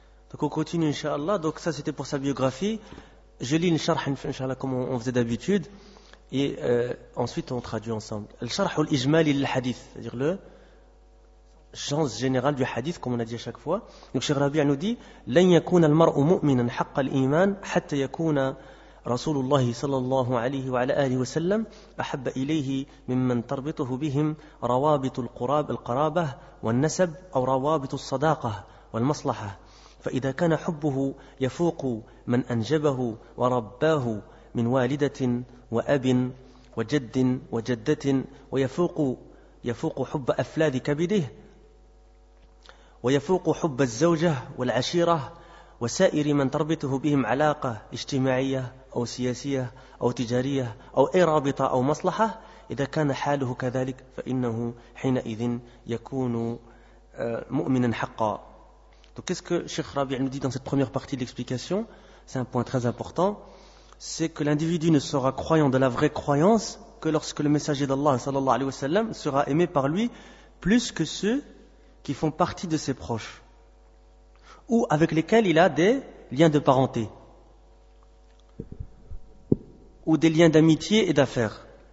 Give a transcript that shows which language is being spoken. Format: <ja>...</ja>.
<fr>Donc on continue, Inch'Allah. Donc ça c'était pour sa biographie. Je lis le charh, inshallah, comme on faisait d'habitude, et ensuite on traduit ensemble. Le charh ou l'ijmali l'hadith, c'est-à-dire le sens général du hadith, comme on a dit à chaque fois. Donc, Cheikh Rabi'a nous dit,</fr> <ar>لن يكون المرء مؤمنا حق الإيمان حتى يكون رسول الله صلى الله عليه وعلى آله وسلم أحب إليه ممن تربطه بهم روابط القراب القرابة والنسب أو روابط الصداقة والمصلحة. فإذا كان حبه يفوق من أنجبه ورباه من والدة وأب وجد وجدة ويفوق حب أفلاذ كبده ويفوق حب الزوجة والعشيرة وسائر من تربطه بهم علاقة اجتماعية أو سياسية أو تجارية أو أي رابطة أو مصلحة إذا كان حاله كذلك فإنه حينئذ يكون مؤمنا حقا.</ar> <fr>Donc qu'est-ce que Cheikh Rabi'a nous dit dans cette première partie de l'explication? C'est un point très important. C'est que l'individu ne sera croyant de la vraie croyance que lorsque le messager d'Allah sallallahu alayhi wa sallam sera aimé par lui plus que ceux qui font partie de ses proches ou avec lesquels il a des liens de parenté ou des liens d'amitié et d'affaires.</fr>